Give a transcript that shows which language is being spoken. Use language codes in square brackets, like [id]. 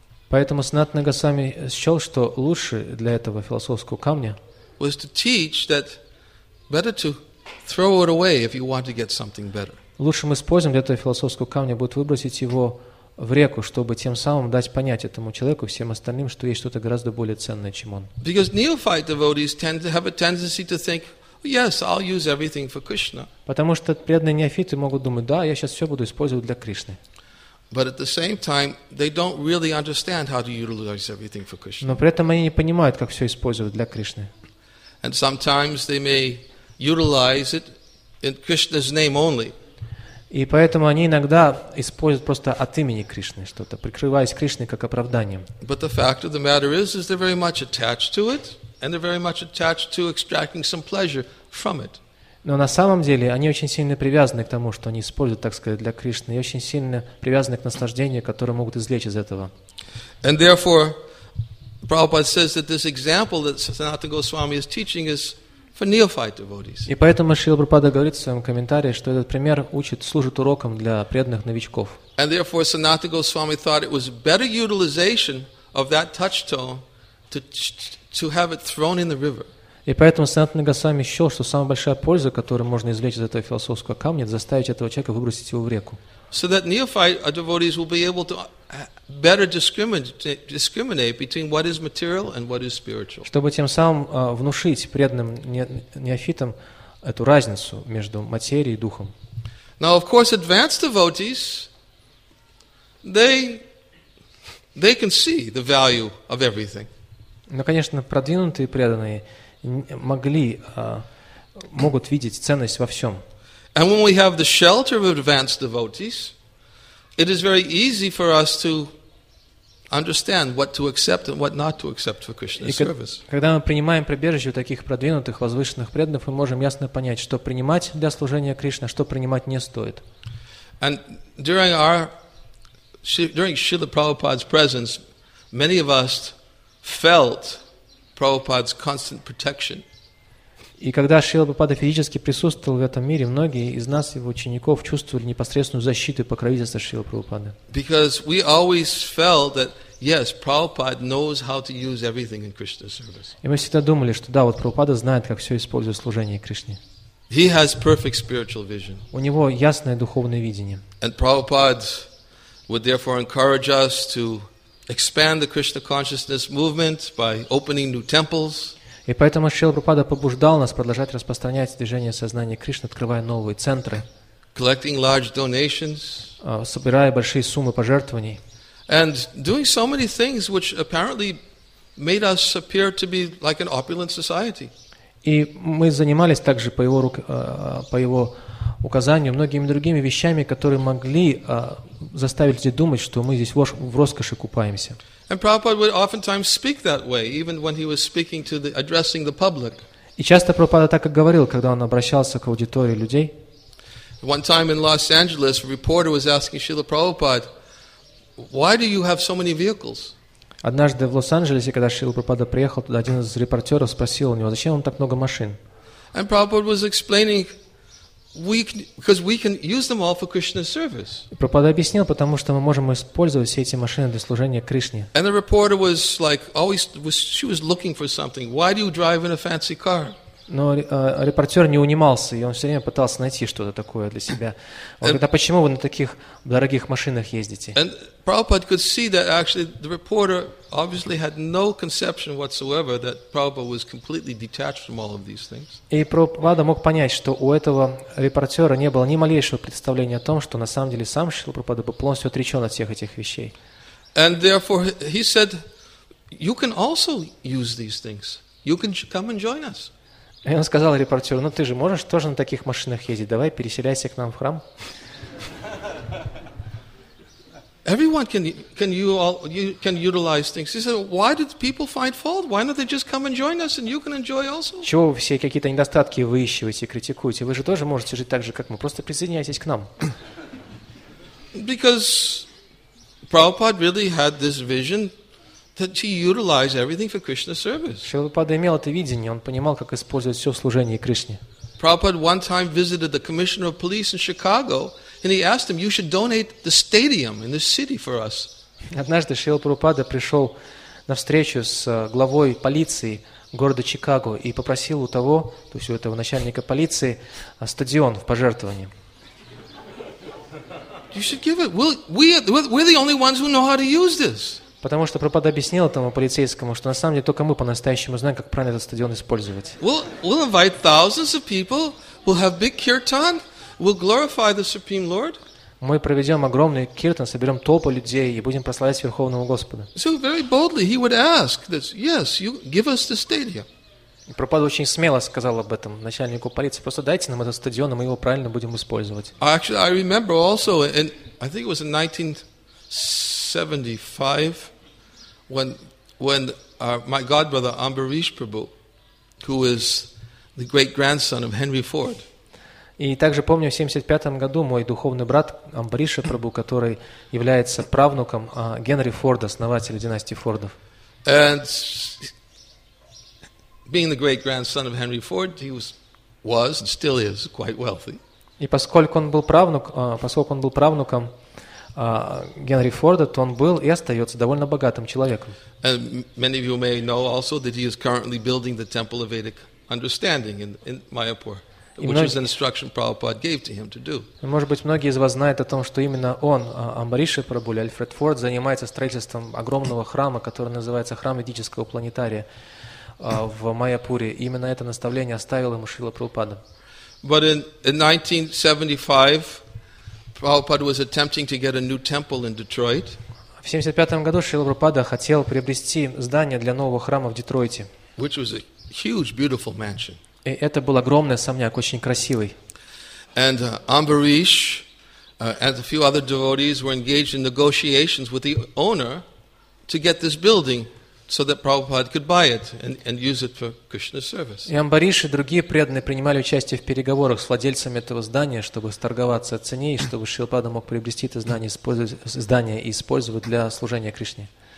[ru] Поэтому Санатана Госвами счел, что лучше для этого философского камня. [en] Was to teach that better to throw it away if you want to get something better. [ru] Лучшим использованием для этого философского камня будет выбросить его в реку, чтобы тем самым дать понять этому человеку, всем остальным, что есть что-то гораздо более ценное, чем он. [en] Because neophyte devotees tend to have a tendency to think, yes, I'll use everything for Krishna. [ru] Потому что преданные неофиты могут думать, да, я сейчас все буду использовать для Кришны. [en] But at the same time, they don't really understand how to utilize everything for Krishna. [ru] Но при этом они не понимают, как все использовать для Кришны. [en] And sometimes they may utilize it in Krishna's name only. [ru] И поэтому они иногда используют просто от имени Кришны что-то, прикрываясь Кришной как оправданием. [en] But the fact of the matter is they're very much attached to it, and they're very much attached to extracting some pleasure from it. [ru] Но на самом деле они очень сильно привязаны к тому, что они используют, так сказать, для Кришны, и очень сильно привязаны к наслаждению, которое могут извлечь из этого. [en] And therefore, Prabhupada says that this example that Sanatana Goswami is teaching is for neophyte devotees. [ru] И поэтому Шрила Прабхупада говорит в своем комментарии, что этот пример учит, служит уроком для преданных новичков. [en] And therefore, Sanatana Goswami thought it was better utilization of that touch tone to have it thrown in the river. [ru] И поэтому Санатана Госвами счел, что самая большая польза, которую можно извлечь из этого философского камня, это заставить этого человека выбросить его в реку. [en] So that neophyte devotees will be able to better discriminate between what is material and what is spiritual. [ru] Чтобы тем самым внушить преданным неофитам эту разницу между материей и духом. [en] Now, of course, advanced devotees, they can see the value of everything. [ru] Но, конечно, продвинутые преданные могли, могут видеть ценность во всем. [en] And when we have the shelter of advanced devotees, it is very easy for us to understand what to accept and what not to accept for Krishna's service. [ru] Когда мы принимаем прибежище у таких продвинутых, возвышенных преданных, мы можем ясно понять, что принимать для служения Кришне, что принимать не стоит. [en] And during Srila Prabhupada's presence, many of us felt Prabhupada's constant protection. [ru] И когда Шрила Прабхупада физически присутствовал в этом мире, многие из нас, его учеников, чувствовали непосредственную защиту и покровительство Шрилы Прабхупады. [en] Because we always felt that yes, Prabhupada knows how to use everything in Krishna's service. [ru] И мы всегда думали, что да, вот Прабхупада знает, как все использовать в служении Кришне. [en] He has perfect spiritual vision. [ru] У него ясное духовное видение. [en] And Prabhupada would therefore encourage us to expand the Krishna consciousness movement by opening new temples. [ru] И поэтому Шрила Прабхупада побуждал нас продолжать распространять движение сознания Кришны, открывая новые центры, [en] collecting large donations, [ru] собирая большие суммы пожертвований, [en] and doing so many things which apparently made us appear to be like an opulent society. [ru] И мы занимались также по его указанию многими другими вещами, которые могли заставить людей думать, что мы здесь в роскоши купаемся. [en] And Prabhupada would oftentimes speak that way, even when he was speaking to the addressing the public. [ru] И часто Прабхупада так и говорил, когда он обращался к аудитории людей. [en] One time in Los Angeles, a reporter was asking Srila Prabhupada, "Why do you have so many vehicles?" [ru] Однажды в Лос-Анджелесе, когда Шрила Прабхупада приехал туда, один из репортеров спросил у него, зачем вам так много машин. [en] And Prabhupada was explaining, because we can use them all for Krishna's service. [ru] Прабхупада объяснил, потому что мы можем использовать все эти машины для служения Кришне. [en] And the reporter was like always was she was looking for something. Why do you drive in a fancy car? [ru] Но репортер не унимался, и он все время пытался найти что-то такое для себя. Он говорит, а почему вы на таких дорогих машинах ездите? [en] And Prabhupada could see that actually the reporter obviously had no conception whatsoever that Prabhupada was completely detached from all of these things. [ru] И Прабхупада мог понять, что у этого репортера не было ни малейшего представления о том, что на самом деле сам Шрила Прабхупада был полностью отречен от всех этих вещей. [en] And therefore he said, you can also use these things. You can come and join us. [ru] И он сказал репортеру, ну ты же можешь тоже на таких машинах ездить, давай переселяйся к нам в храм. [en] Everyone can utilize things. He said, why did people find fault? Why don't they just come and join us and you can enjoy also? [ru] Чего вы все какие-то недостатки выискиваете, критикуете? Вы же тоже можете жить так же, как мы. Просто присоединяйтесь к нам. [en] Because Prabhupada really had this vision that he utilized everything for Krishna's service. [ru] Шрила Прабхупада имел это видение, он понимал, как использовать все в служении Кришне. [en] Prabhupada one time visited the commissioner of police in Chicago, and he asked him, "You should donate the stadium in the city for us." [ru] Однажды Шрила Прабхупада пришел на встречу с главой полиции города Чикаго и попросил у того, то есть у этого начальника полиции, стадион в пожертвование. [en] You should give it. We're the only ones who know how to use this. [ru] Потому что Прабхупада объяснил этому полицейскому, что на самом деле только мы по-настоящему знаем, как правильно этот стадион использовать. [en] We'll invite thousands of people. We'll have big kirtan. We'll glorify the Supreme Lord. [ru] Мы проведем огромный киртан, соберем толпу людей и будем прославлять Верховного Господа. [en] So very boldly he would ask this. Yes, you give us the stadium. [ru] Прабхупада очень смело сказал об этом начальнику полиции. Просто дайте нам этот стадион, и мы его правильно будем использовать. [en] Actually, I remember also, and I think it was in 1975, when my godbrother Ambarish Prabhu, who is the great grandson of Henry Ford. [ru] И также помню, в 75 году мой духовный брат Амбариша Прабу, который является правнуком Генри Форда, основателя династии Фордов. [en] And being the great grandson of Henry Ford, he was and still is quite wealthy. [ru] И поскольку он был правнук, поскольку он был правнуком Генри Форда, то он был и остается довольно богатым человеком. [en] And many of you may know also that he is currently building the Temple of Vedic Understanding in Mayapur, which is an instruction Prabhupada gave to him to do. [ru] Может быть, многие из вас знают о том, что именно он, Амбариша Прабу, Альфред Форд, занимается строительством огромного храма, который называется Храм Ведического Планетария в Майяпуре. Именно это наставление оставил ему Шрила Прабхупада. [en] But in 1975, Prabhupada was attempting to get a new temple in Detroit. [ru] В 75 году Шрила Прабхупада хотел приобрести здание для нового храма в Детройте. [en] Which was a huge, beautiful mansion. [ru] И это был огромный особняк, очень красивый. [en] And Ambarish and a few other devotees were engaged in negotiations with the owner to get this building so that Prabhupada could buy it and use it for Krishna service. [ru] И Амбариш и другие преданные принимали участие в переговорах с владельцами этого здания, чтобы сторговаться о цене, и чтобы Шрила Прабхупада мог приобрести это здание и использовать для служения Кришне.